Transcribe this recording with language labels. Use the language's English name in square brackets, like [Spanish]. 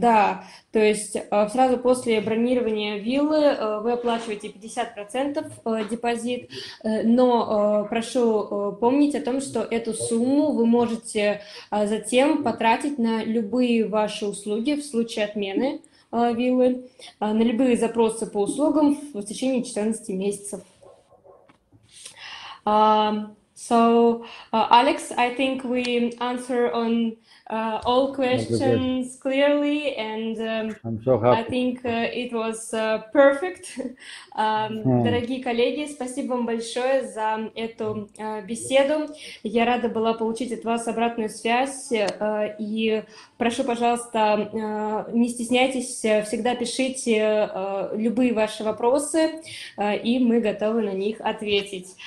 [Russian] Да, то есть сразу после бронирования виллы вы оплачиваете 50% депозит, но прошу помнить о том, что эту сумму вы можете затем потратить на любые ваши услуги в случае отмены виллы, на любые запросы по услугам в течение 14 месяцев. [English] So, Alex, I think we answer on all questions clearly, and I'm so happy. I think it was perfect. [Russian] Дорогие коллеги, спасибо вам большое за эту беседу. Я рада была получить от вас обратную связь, и прошу, пожалуйста, не стесняйтесь, всегда пишите любые ваши вопросы, и мы готовы на них ответить.